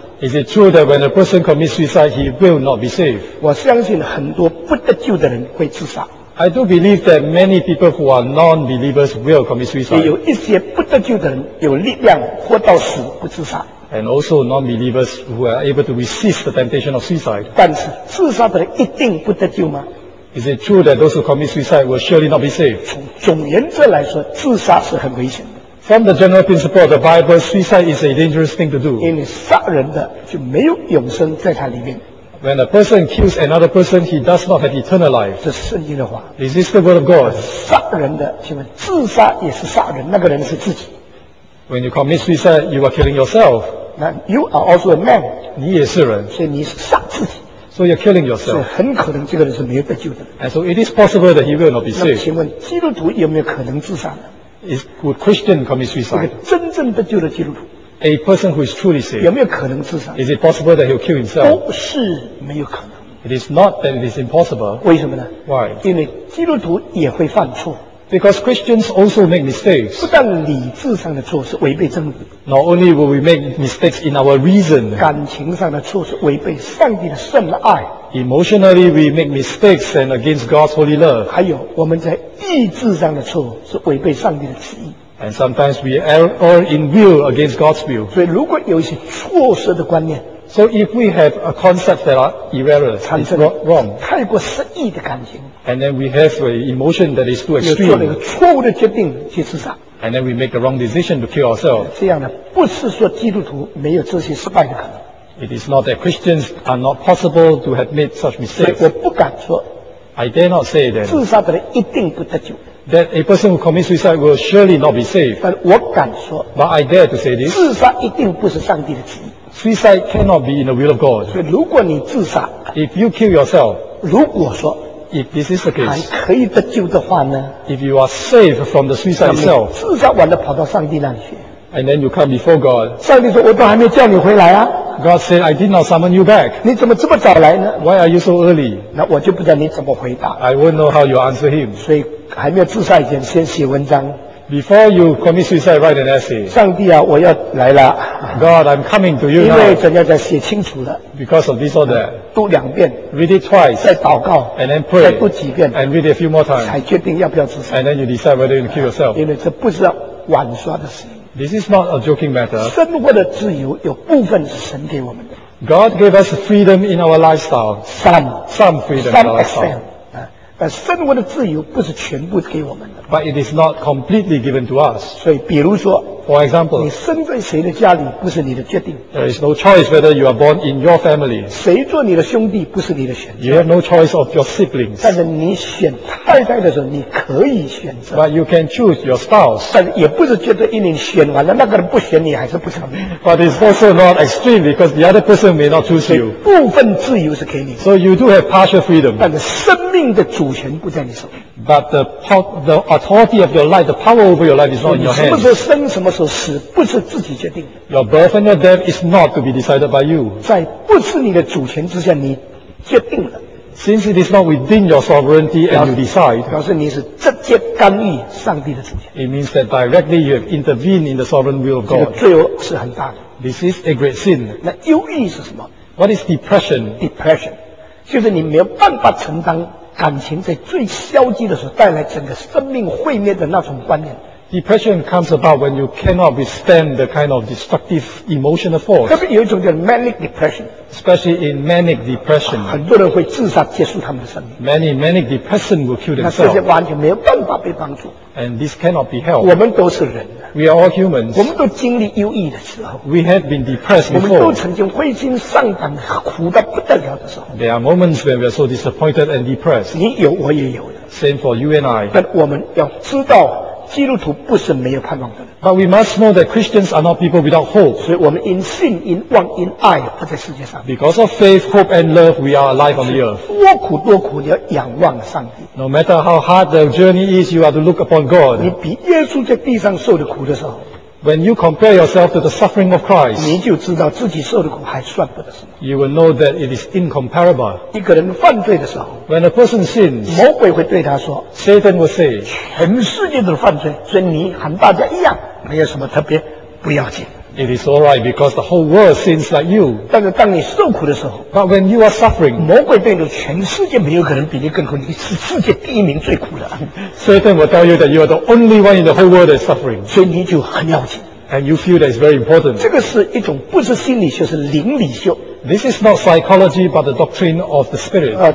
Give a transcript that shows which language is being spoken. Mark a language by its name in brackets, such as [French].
[English] Is it true that when a person commits suicide, he will not be saved? [Chinese] 我相信很多不得救的人会自杀。 [English] I do believe that many people who are non-believers will commit suicide. [Chinese] 也有一些不得救的人有力量活到死不自杀。 [English] And also non-believers who are able to resist the temptation of suicide. [Chinese] 但是自杀的人一定不得救吗？ [English] Is it true that those who commit suicide will surely not be saved? [Chinese] 从总原则来说，自杀是很危险的。 [English] From the general principle of the Bible, suicide is a dangerous thing to do. [Chinese] 因为杀人的就没有永生在他里面。 [English] When a person kills another person, he does not have eternal life. [Chinese] 这是圣经的话。 [English] Is this the word of God? [Chinese] 杀人的，请问自杀也是杀人，那个人是自己。 [English] When you commit suicide, you are killing yourself. 那 you are also a man. [Chinese] 你也是人。所以你是杀自己。 [English] So you're killing yourself. [Chinese] 所以很可能这个人是没有得救的。 [English] And so it is possible that he will not be saved. [Chinese] 那请问基督徒有没有可能自杀呢？ [English] Is would Christian commit suicide? [Chinese] 一个真正得救的基督徒。 [English] A person who is truly saved. [Chinese] 有没有可能自杀？ [English] Is it possible that he'll kill himself? [Chinese] 不是没有可能。 [English] It is not that it is impossible. [Chinese] 为什么呢？ [English] Why? [Chinese] 因为基督徒也会犯错。 [English] Because Christians also make mistakes. [Chinese] 不但理智上的错是违背真理。 [English] Not only will we make mistakes in our reason. [Chinese] 感情上的错是违背上帝的圣爱。 [English] Emotionally, we make mistakes and against God's holy love. [Chinese] 还有我们在意志上的错是违背上帝的旨意。 [English] And sometimes we err in will against God's will. [Chinese] 所以如果有一些错失的观念。 [English] So if we have a concept that are erroneous, it's wrong. [Chinese] 太过失意的感情。 [English] And then we have an emotion that is too extreme. [Chinese] 做了一个错误的决定去自杀。 [English] And then we make a wrong decision to kill ourselves. [Chinese] 这样呢，不是说基督徒没有这些失败的可能。 [English] It is not that Christians are not possible to have made such mistakes. [Chinese] 我不敢说。 [English] I dare not say that. [Chinese] 自杀的人一定不得救。 [English] That a person who commits suicide will surely not be saved. [Chinese] 但我敢说。 [English] But I dare to say this. [Chinese] 自杀一定不是上帝的旨意。 [English] Suicide cannot be in the will of God. [Chinese] 所以如果你自杀， [English] if you kill yourself, [Chinese] 如果说 [English] if this is the case, [Chinese] 还可以得救的话呢？ [English] If you are saved from the suicide itself, [Chinese] 自杀完了跑到上帝那里去， [English] and then you come before God, [Chinese] 上帝说我都还没叫你回来啊。 [English] God said I did not summon you back. [Chinese] 你怎么这么早来呢？ [English] Why are you so early? [Chinese] 那我就不知道你怎么回答。 [English] I won't know how you answer him. [Chinese] 所以还没有自杀以前先写文章。 [English] Before you commit suicide, write an essay. [Chinese] 上帝啊，我要来了。 [English] God, I'm coming to you now. [Chinese] 因为怎样再写清楚了。 [English] Because of this or that. [Chinese] 读两遍。 [English] Read it twice. [Chinese] 再祷告。 [English] And then pray. [Chinese] 再读几遍。 [English] And read it a few more times. [Chinese] 才决定要不要自杀。 [English] And then you decide whether you kill yourself. [Chinese] 因为这不是玩耍的事。 [English] This is not a joking matter. [Chinese] 生活的自由有部分是神给我们的。 [English] God gave us freedom in our lifestyle. Some freedom in our lifestyle. [Chinese] 但生活的自由不是全部给我们的。 [English] But it is not completely given to us. [Chinese] 所以比如说 [English] For example, [Chinese] 你生在谁的家里不是你的决定。 [English] There is no choice whether you are born in your family. [Chinese] 谁做你的兄弟不是你的选择。 [English] You have no choice of your siblings. [Chinese] 但是你选太太的时候你可以选择。 [English] But you can choose your spouse. [Chinese] 但也不是觉得因为你选完了那个人不选你还是不成。 [English] But it's also not extreme because the other person may not choose you. [Chinese] 部分自由是给你。 [English] So you do have partial freedom. [Chinese] 但是生命的主权不在你手。 [English] But the authority of your life, the power over your life is not in your hands. [Chinese] 你什么时候生什么时候死不是自己决定的。 [English] Your birth and your death is not to be decided by you. [Chinese] 在不是你的主权之下你决定了。 [English] Since it is not within your sovereignty and you decide. [Chinese] 表示你是直接干预上帝的主权。 [English] It means that directly you have intervened in the sovereign will of God. [Chinese] 这个罪恶是很大的。 [English] This is a great sin. [Chinese] 那忧郁是什么？ [English] What is depression? Depression. [Chinese] 就是你没有办法承担感情在最消极的时候带来整个生命毁灭的那种观念。 [English] Depression comes about when you cannot withstand the kind of destructive emotional force. [Chinese] 特别有一种叫 manic depression. [English] Especially in manic depression. [Chinese] 很多人会自杀结束他们的生命。 [English] Many manic depression will kill themselves. [Chinese] 那这些完全没有办法被帮助。 [English] And this cannot be helped. [Chinese] 我们都是人。 [English] We are all humans. [Chinese] 我们都经历忧郁的时候。 [English] We have been depressed before. [Chinese] 我们都曾经灰心丧胆苦得不得了的时候。 [English] There are moments when we are so disappointed and depressed. [Chinese] 你有我也有的。 [English] Same for you and I. [Chinese] 但我们要知道基督徒不是没有盼望的人。 [English] But we must know that Christians are not people without hope. [Chinese] 所以我们因信、因望、因爱活在世界上。 [English] Because of faith, hope and love, we are alive on the earth. [Chinese] 多苦多苦，你要仰望上帝。 [English] No matter how hard the journey is, you are to look upon God. [Chinese] 你比耶稣在地上受的苦的时候， [English] When you compare yourself to the suffering of Christ, [Chinese] 你就知道自己受的苦还算不得什么。 [English] You will know that it is incomparable. [Chinese] 一个人犯罪的时候， [English] When a person sins, [Chinese] 魔鬼会对他说， [English] Satan will say, [Chinese] 全世界都是犯罪，所以你和大家一样，没有什么特别，不要紧。 [English] It is all right because the whole world sins like you. [Chinese] 但是当你受苦的时候， [English] But when you are suffering, [Chinese] 魔鬼对你说，全世界没有可能比你更苦，你是世界第一名最苦的。 [English] Satan will tell you that you are the only one in the whole world that is suffering. [Chinese] 所以你就很要紧。 [English] And you feel that it's very important. [Chinese] 这个是一种不是心理学，是灵理学。 [English] This is not psychology, but the doctrine of the spirit.